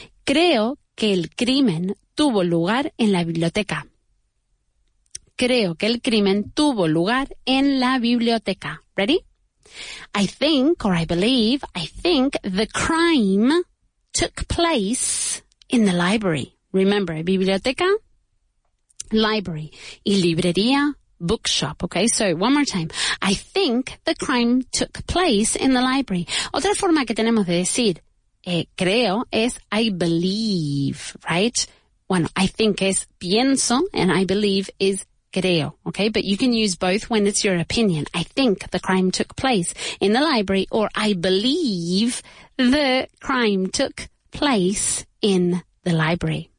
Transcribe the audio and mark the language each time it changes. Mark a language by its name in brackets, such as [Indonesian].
[Spanish] Creo que el crimen tuvo lugar en la biblioteca. Creo que el crimen tuvo lugar en la biblioteca. [English] Ready? I think the crime took place in the library. Remember, biblioteca, library. [Spanish] Y librería, [English] bookshop. Okay, so one more time. I think the crime took place in the library. [Spanish] Otra forma que tenemos de decir creo es [English] I believe, right? [Spanish] Bueno, [English] I think [Spanish] es pienso [English] and I believe is creo, okay? But you can use both when it's your opinion. I think the crime took place in the library, or I believe the crime took place in the library.